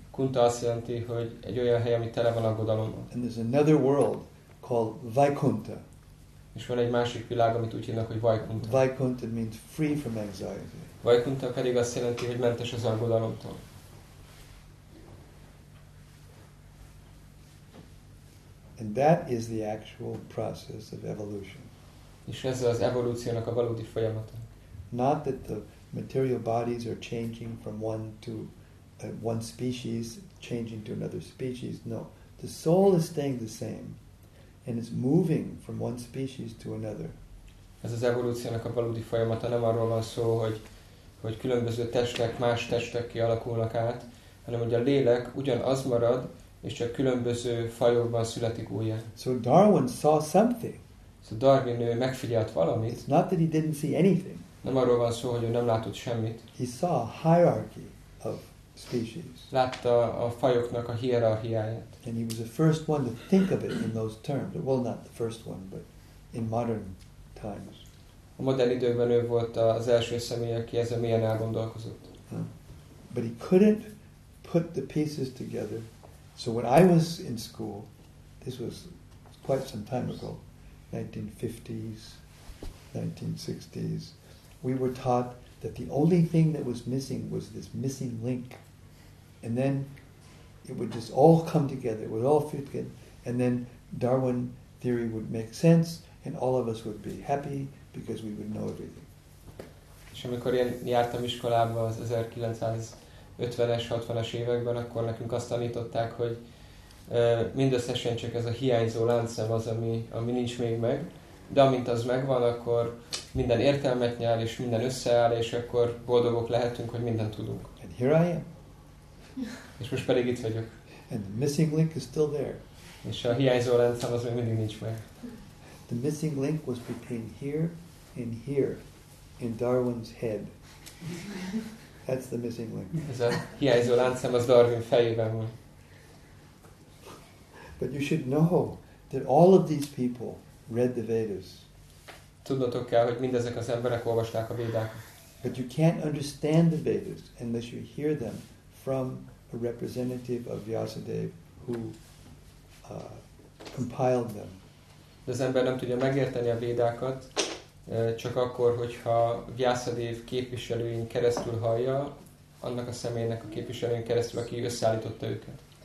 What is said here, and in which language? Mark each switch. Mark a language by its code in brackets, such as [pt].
[hu] Kunta azt jelenti, hogy egy olyan hely, ami tele van aggodalommal. [en] And there's another world called Vaikunta. [hu] És van egy másik világ, amit úgy hívnak, hogy Vaikunta. [en] Vaikunta means free from anxiety. [hu] Vaikunta pedig azt jelenti, hogy mentes az aggodalomtól. [en] And that is the actual process of evolution. [hu] És ez az evolúciónak a valódi folyamata. [en] Not that the material bodies are changing from one to one species, changing to another species. No, the soul is staying the same, and it's moving from one species to another. [hu] Ez az evolúciónak a valódi folyamata, nem arról van szó, hogy különböző testek más testek kialakulnak át, hanem hogy a lélek ugyanaz marad, és csak különböző fajokban születik újra. [en] So Darwin saw something. [hu] So Darwin megfigyelt valamit. [en] It's not that he didn't see anything. [hu] Nem arról van szó, hogy ő nem látott semmit. [en] He saw a hierarchy of species. [hu] Látta a fajoknak a hierarchiáját. [en] And he was the first one to think of it in those terms. Well, not the first one, but in modern times. [hu] A modern időben ő volt az első személy, aki ezzel mélyen elgondolkozott. [en] But he couldn't put the pieces together. So when I was in school, this was quite some time ago, 1950s, 1960s, we were taught that the only thing that was missing was this missing link. And then it would just all come together, it would all fit together, and then Darwin theory would make sense, and all of us would be happy because we would know everything. [hu] És amikor én jártam iskolába az 1950-es, 60-as években, akkor nekünk azt tanították, hogy mindösszesen csak ez a hiányzó láncszem az, ami nincs még meg, de amint az megvan, akkor minden értelmet nyer, és minden összeáll, és akkor boldogok lehetünk, hogy mindent tudunk. [en] And here I am. [hu] És most pedig itt vagyok. [en] And the missing link is still there. [hu] És a hiányzó láncszem az még mindig nincs meg. [en] The missing link was between here and here in Darwin's head. That's the missing link. [hu] Ez a hiányzó láncszem az Darwin fejében van. [en] But you should know that all of these people read the Vedas. [hu] Tudnotok kell, hogy mindezek az emberek olvasták a Védákat. [en] But you can't understand the Vedas unless you hear them from a representative of Vyasadeva who compiled them. [hu] De az ember nem tudja megérteni a Védákat, csak akkor, hogyha Vyasadeva képviselőjén keresztül hallja, annak a személynek a képviselőjén keresztül, aki összeállította őket.